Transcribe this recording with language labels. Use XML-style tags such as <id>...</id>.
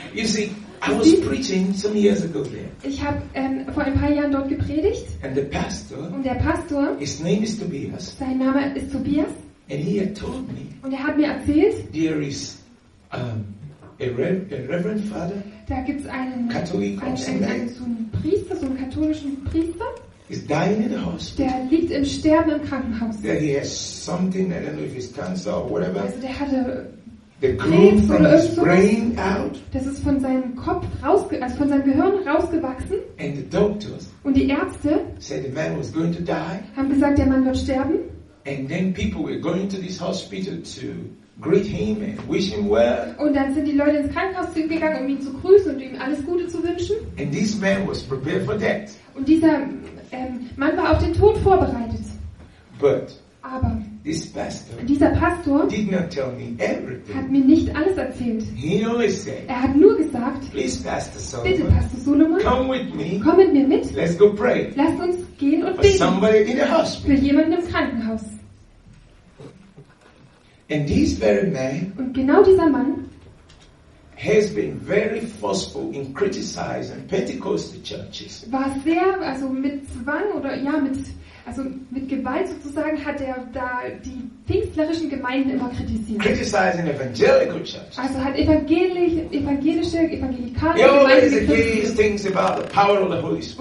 <en>You see, I was preaching some years ago there.</en> <de>Ich habe vor ein paar Jahren dort gepredigt.</de> <en>And the pastor,</en> <de>und der Pastor,</de> <en>his name is Tobias.</en> <de>Sein Name ist Tobias.</de> <en>And he had told me,</en> <de>und er hat mir erzählt,</de> <en>there is a reverend father,</en> <de>da gibt es einen Katholik, einen katholischen Priester,</de> <en>is dying in the hospital.</en> <de>Der liegt im Sterben im Krankenhaus.</de> <en>That he has something, I don't know if it's cancer or whatever.</en> <de>Also der hatte</de> <en>the groom from his brain out.</en> <de>Das ist von seinem Kopf also von seinem Gehirn rausgewachsen.</de> <en>And the doctors,</en> <de>und die Ärzte,</de> <en>said the man was going to die.</en> <de>Haben gesagt, der Mann wird sterben.</de> <en>And then people were going to this hospital to greet him and wish him well.</en> <de>Und dann sind die Leute ins Krankenhaus gegangen, um ihn zu grüßen und ihm alles Gute zu wünschen.</de> <en>And this man was prepared for death.</en> <de>Und dieser Mann war auf den Tod vorbereitet.</de> <en>But,</en> <de>aber</de> <en>This pastor,</en> <de>dieser Pastor</de> <en>did not tell me everything.</en> <de>Hat mir nicht alles erzählt.</de> <en>He only said,</en> <de>er hat nur gesagt,</de> <en>please, Pastor Solomon,</en> <de>bitte Pastor Solomon,</de> <en>come with me,</en> <de>komm mit mir mit.</de> <en>Let's go pray.</en> <de>Lasst uns gehen und</de> <en>for</en> <de>beten</de> <en>somebody in a hospital.</en> <de>Für jemanden im Krankenhaus.</de> <en>And this very man,</en> <de>und genau dieser Mann</de> <en>has been very forceful in criticizing Pentecostal churches.</en> <de>War sehr, also mit Zwang oder ja, mit Gewalt sozusagen, hat er da die pfingstlerischen Gemeinden immer kritisiert.</de> <en>Criticizing evangelical churches.</en> <de>Also hat evangelikale Gemeinden kritisiert.</de> <en>Things about the power of the Holy Spirit.</en>